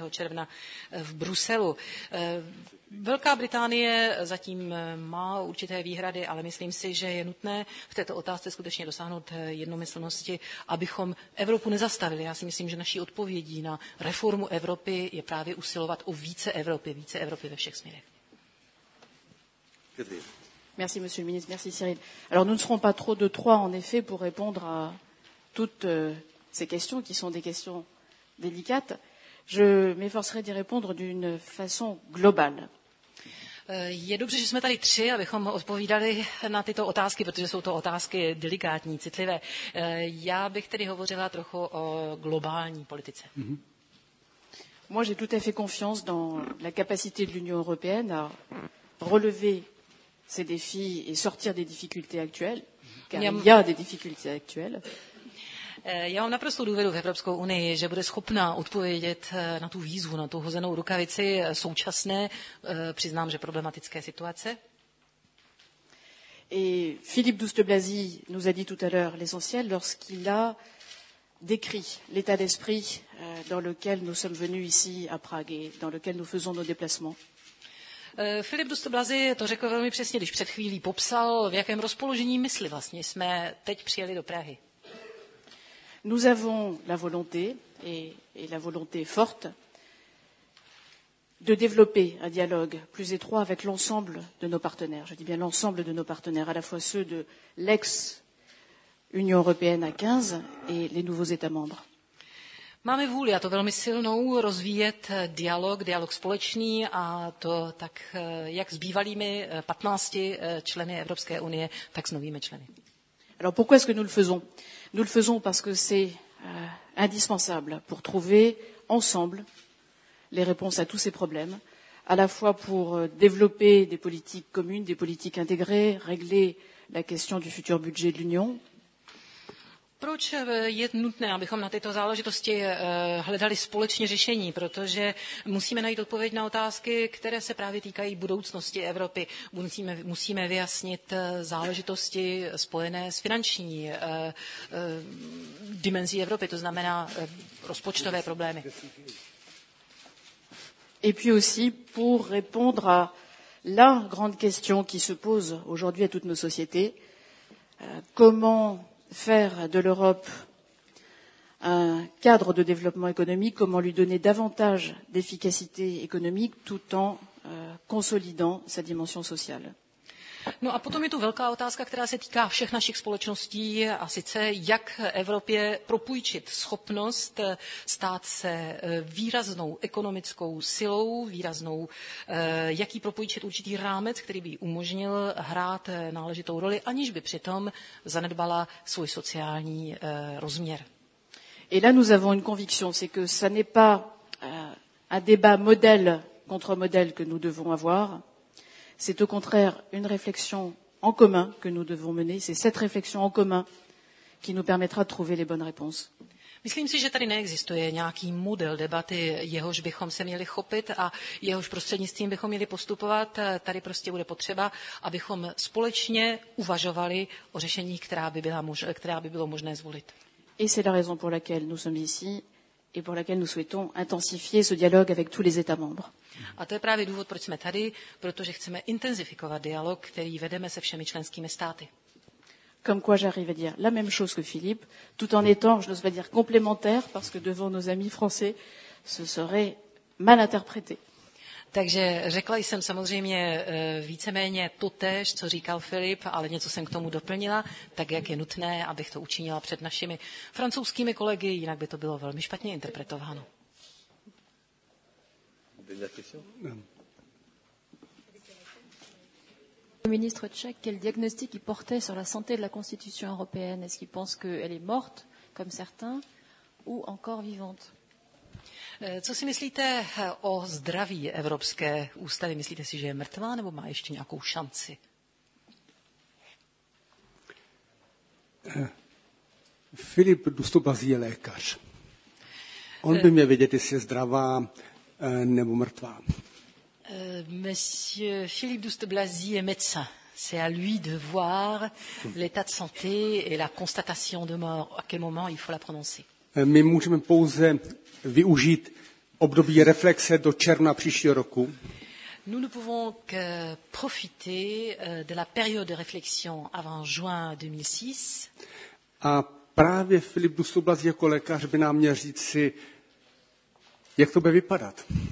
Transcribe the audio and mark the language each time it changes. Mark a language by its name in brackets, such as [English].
[Czech] června v Bruselu. Velká Británie zatím má určité výhrady, ale myslím si, že je nutné v této otázce skutečně dosáhnout jednomyslnosti, abychom Evropu nezastavili. Já si myslím, že naší odpovědí na reformu Evropy je právě usilovat o více Evropy ve všech směrech. [French] Merci, monsieur le ministre, merci, Cyril. Alors, nous ne serons pas trop de trois, en effet, pour répondre à toutes ces questions, qui sont des questions délicate, je m'efforcerai d'y répondre d'une façon globale. [Czech] Je dobře, že jsme tady tři, abychom odpovídali na tyto otázky, protože jsou to otázky delikátní, citlivé. Já bych tedy hovořila trochu o globální politice. [French] Moi, j'ai tout à fait confiance dans la capacité de l'Union européenne à relever ces défis et sortir des difficultés actuelles, car il y a des difficultés actuelles. [Czech] Já mám naprosto důvěru v Evropskou unii, že bude schopná odpovědět na tu výzvu, na tu hozenou rukavici současné, přiznám, že problematické situace. [French] Et Philippe Douste-Blazy nous a dit tout à l'heure l'essentiel lorsqu'il a décrit l'état d'esprit dans lequel nous sommes venus ici à Prague et dans lequel nous faisons nos déplacements. [Czech] Filip Douste-Blazy to řekl velmi přesně, když před chvílí popsal, v jakém rozpoložení mysli vlastně jsme teď přijeli do Prahy. [French] Nous avons la volonté et la volonté forte de développer un dialogue plus étroit avec l'ensemble de nos partenaires. Je dis bien l'ensemble de nos partenaires, à la fois ceux de l'ex-Union européenne à 15 et les nouveaux États membres. [Czech] Máme vůli, a to velmi silnou, rozvíjet dialog společný a to tak jak s bývalými 15 členy Evropské unie, tak s novými členy. [French] Alors pourquoi est-ce que nous le faisons? Nous le faisons parce que c'est indispensable pour trouver ensemble les réponses à tous ces problèmes, à la fois pour développer des politiques communes, des politiques intégrées, régler la question du futur budget de l'Union. [Czech] Proč je nutné, abychom na tyto záležitosti hledali společně řešení, protože musíme najít odpověď na otázky, které se právě týkají budoucnosti Evropy. Musíme vyjasnit záležitosti spojené s finanční dimenzí Evropy, to znamená rozpočtové problémy. [French] Et puis aussi pour répondre à la grande question qui se pose aujourd'hui à toutes nos sociétés, comment faire de l'Europe un cadre de développement économique, comment lui donner davantage d'efficacité économique tout en consolidant sa dimension sociale. [Czech] No a potom je tu velká otázka, která se týká všech našich společností, a sice jak Evropě propůjčit schopnost stát se výraznou ekonomickou silou, výraznou, jak jí propůjčit určitý rámec, který by umožnil hrát náležitou roli, aniž by přitom zanedbala svůj sociální rozměr. [French] Et là nous avons une conviction, c'est que ça n'est pas un débat modèle contre modèle que nous devons avoir. C'est au contraire une réflexion en commun que nous devons mener. C'est cette réflexion en commun qui nous permettra de trouver les bonnes réponses. [Czech] Myslím si, že tady neexistuje nějaký model debaty, jehož bychom se měli chopit a jehož prostřednictvím bychom měli postupovat. Tady prostě bude potřeba, abychom společně uvažovali o řešení, která by bylo možné zvolit. [French] Et c'est la raison pour laquelle nous sommes ici et pour laquelle nous souhaitons intensifier ce dialogue avec tous les États membres. [Czech] A to je právě důvod, proč jsme tady, protože chceme intenzifikovat dialog, který vedeme se všemi členskými státy. [French] Comme quoi j'arrive à dire la même chose que Philippe, tout en étant, je n'ose pas dire complémentaire, parce que devant nos amis français, ce serait mal interprété. [Czech] Takže řekla jsem samozřejmě víceméně totéž, co říkal Filip, ale něco jsem k tomu doplnila, tak jak je nutné, abych to učinila před našimi francouzskými kolegy, jinak by to bylo velmi špatně interpretováno. [French] Le ministre tchèque, quel diagnostic il portait sur la santé de la Constitution européenne? Est-ce qu'il pense qu'elle est morte, comme certains, ou encore vivante? [Czech] Co si myslíte o zdraví Evropské ústavy? Myslíte si, že je mrtvá nebo má ještě nějakou šanci? Filip Dostopazí je lékař. On by měl vědět, jestli je zdravá nebo mrtvá. [French] Monsieur Philippe Dostopazí je médecin. C'est à lui de voir l'état de santé et la constatation de mort. À quel moment il faut la prononcer? [Czech] My můžeme pouze využít období reflexe do června příštího roku. [French] Nous ne pouvons que profiter de la période de réflexion avant juin 2006. [Czech] A právě Philippe Dostopazí jako lékař by nám měl říct si, jak to bude vypadat.